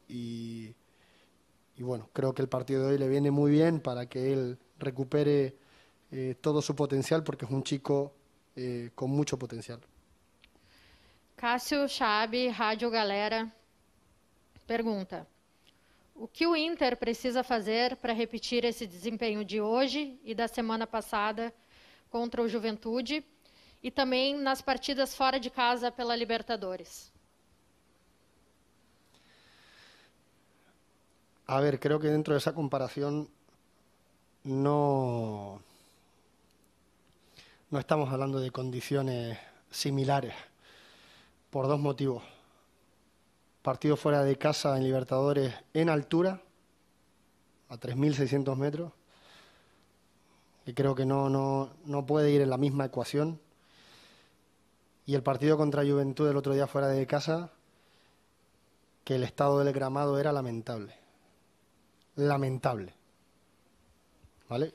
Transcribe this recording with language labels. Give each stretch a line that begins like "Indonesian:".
Spanish: Y bueno, creo que el partido de hoy le viene muy bien para que él recupere todo su potencial, porque es un chico con mucho potencial.
Portuguese: Cássio Chabi, Rádio Galera. Pergunta, o que o Inter precisa fazer para repetir esse desempenho de hoje e da semana passada contra o Juventude e também nas partidas fora de casa pela Libertadores?
Spanish: A ver, creo que
Portuguese: dentro dessa comparação não estamos falando de condições similares por dois motivos.
Spanish: Partido fuera de casa en Libertadores en altura, a 3.600 metros, que creo que no puede ir en la misma ecuación. Y el partido contra Juventud el otro día fuera de casa, que el estado del gramado era lamentable. Lamentable. ¿Vale?